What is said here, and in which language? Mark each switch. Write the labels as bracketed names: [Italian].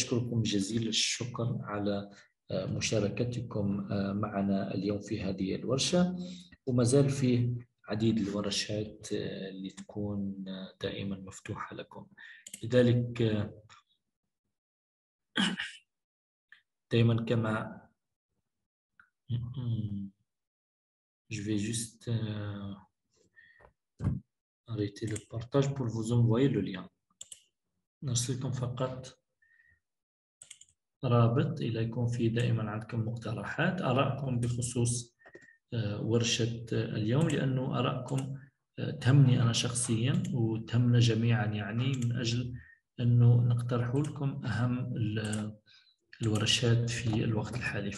[Arabic] أشكركم جزيل الشكر على مشاركتكم معنا اليوم في هذه الورشة، ومازال فيه عديد الورشات اللي تكون دائما مفتوحة لكم. لذلك دائما كما [French] Je vais juste arrêter le partage pour vous envoyer le lien. [Arabic] نرسلكم فقط رابط إلى يكون فيه دائما عندكم مقترحات آراءكم بخصوص ورشة اليوم، لأنه آراءكم تهمني أنا شخصيا وتهمنا جميعا، يعني من أجل أنه نقترح لكم أهم الورشات في الوقت الحالي.